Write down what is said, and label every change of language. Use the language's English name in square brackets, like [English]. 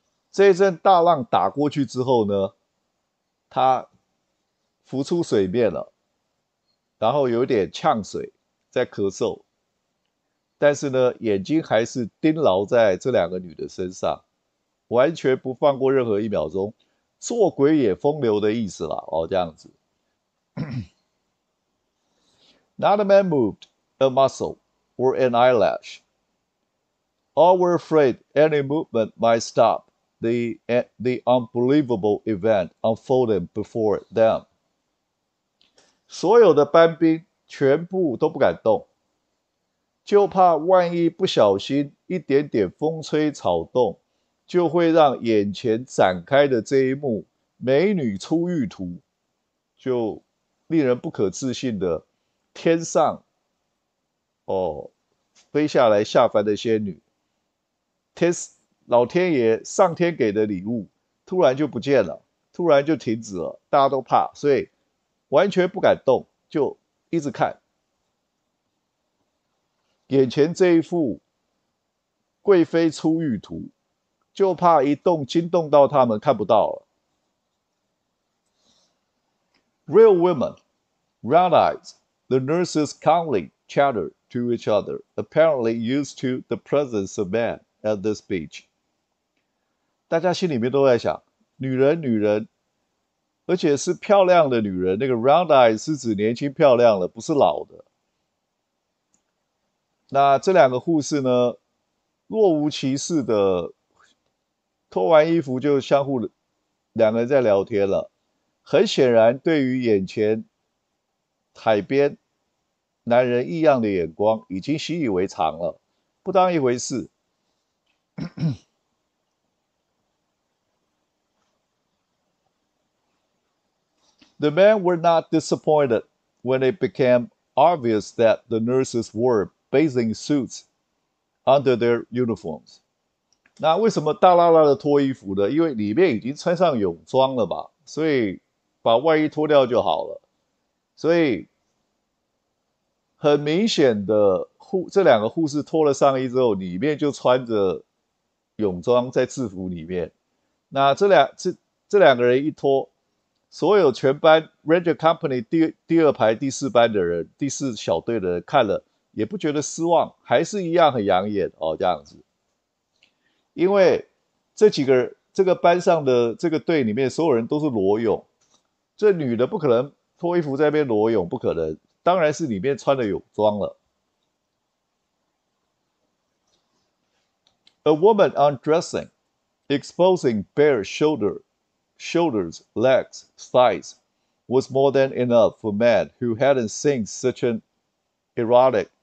[Chinese] 这一阵大浪打过去之后呢，他浮出水面了，然后有点呛水，在咳嗽。但是呢，眼睛还是盯牢在这两个女的身上，完全不放过任何一秒钟，做鬼也风流的意思啦。哦，这样子。 [English] Not a man moved a muscle or an eyelash. All were afraid any movement might stop the unbelievable event unfolding before them. [Chinese] 所有的班兵全部都不敢动。就怕万一不小心一点点风吹草动，就会让眼前展开的这一幕“美女出浴图”就令人不可置信的天上哦飞下来下凡的仙女，老天爷上天给的礼物突然就不见了，突然就停止了，大家都怕，所以完全不敢动，就一直看。眼前这一幅贵妃出浴图，就怕一动惊动到他们看不到了。 [English] Real women, round eyes, the nurses calmly chattered to each other, apparently used to the presence of man at this beach. [Chinese] 大家心里面都在想，女人，女人，而且是漂亮的女人。那个 round eyes 是指年轻漂亮的，不是老的。那这两个护士呢，若无其事的脱完衣服就相互两个人在聊天了。很显然，对于眼前海边男人异样的眼光，已经习以为常了，不当一回事。 [English] The men were not disappointed when it became obvious that the nurses were bathing suits under their uniforms. [Chinese] 那为什么大啦啦的脱衣服呢？因为里面已经穿上泳装了嘛，所以把外衣脱掉就好了。所以很明显的，这两个护士脱了上衣之后，里面就穿着泳装在制服里面。那这两个人一脱，所有全班 Ranger Company 第二排第四班的人，第四小队的人看了。也不觉得失望，还是一样很养眼哦，这样子。因为这几个这个班上的这个队里面，所有人都是裸泳，这女的不可能脱衣服在那边裸泳，不可能，当然是里面穿了泳装了。 [English] A woman undressing, exposing bare shoulders, legs, thighs, was more than enough for men who hadn't seen such an erotic.